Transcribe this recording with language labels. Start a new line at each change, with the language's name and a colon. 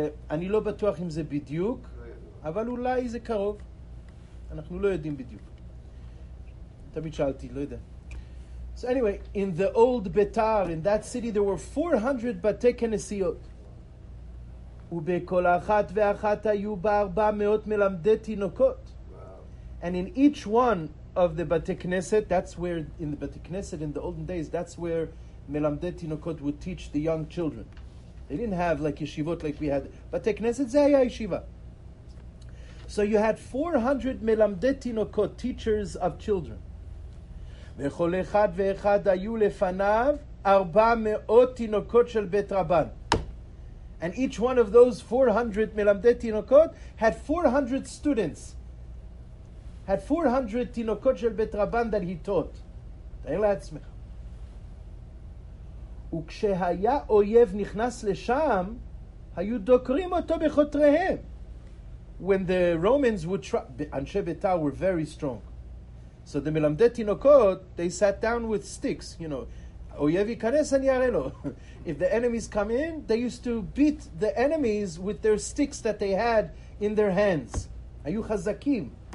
Hebrew: אני לא בטוח אם זה בדיוק אבל אולי זה קרוב אנחנו לא יודעים בדיוק תמיד שאלתי, לא יודע
English: So anyway, in the old Betar, in that city there were
Hebrew: 400 בתי כנסיות ובכל אחת ואחת היו בה 400 מלמדי תינוקות
English: And in each one of the בתי כנסת that's where, in the בתי כנסת, in the olden days that's where מלמדי תינוקות would teach the young children. They didn't have like yeshivot like we had.
Hebrew: בתי כנסת זה היה yeshiva.
English: So you had 400
Hebrew: מלמדי תינוקות,
English: teachers of children.
Hebrew: וכל אחד ואחד היו לפניו 400 תינוקות של בית רבן.
English: And each one of those 400
Hebrew: מלמדי תינוקות
English: had 400 students. Had 400
Hebrew: תינוקות של בית רבן
English: that he taught.
Hebrew: תאר לעצמך. וכשהיה אויב נכנס לשם, היו דוקרים אותו בחותריהם.
English: when the Romans would try, Anshe Beta were very strong. So the Melamde Tinokot, they sat down with sticks, you know.
Hebrew: Oyevi kanes ani arelo.
English: If the enemies come in, they used to beat the enemies with their sticks that they had in their hands.
Hebrew: Ayu chazakim.